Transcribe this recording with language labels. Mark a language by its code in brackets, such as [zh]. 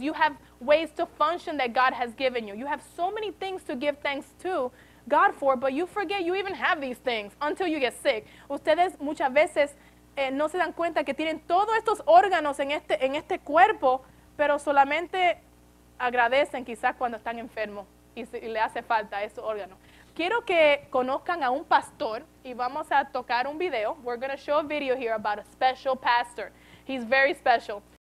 [en] You have ways to function that God has given you. You have so many things to give thanks to God for, but you forget you even have these things until you get sick. [es] Ustedes muchas veces no se dan cuenta que tienen todos estos órganos en este cuerpo, pero solamente agradecen quizás cuando están enfermos y le hace falta esos órganos. Quiero que conozcan a un pastor y vamos a tocar un video. [en] We're going to show a video here about a special pastor. He's very special.